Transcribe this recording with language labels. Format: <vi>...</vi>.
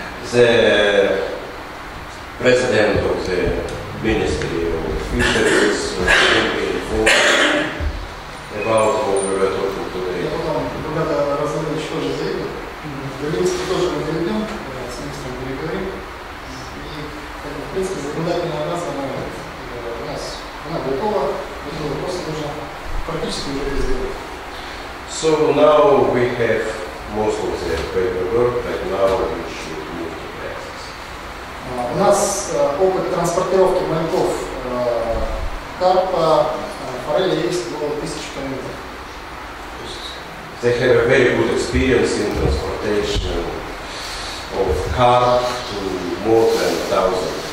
<en>The president of the Ministry of Fisheries will be informed about what we were talking today.</en> <ru>Я думаю, ребята Розенович тоже заедет. В Белинске тоже мы перейдем, с министром переговорим. И, в принципе, законодательная база, она у нас готова, эти вопросы нужно практически уже сделать.</ru> <en>So now we have most of the paperwork, but now we should move to practice.</en> <ru>У нас опыт транспортировки маяков карпа, форели есть около 1000 километров.</ru> <en>They have a very good experience in transportation of carp to more than 1000.</en>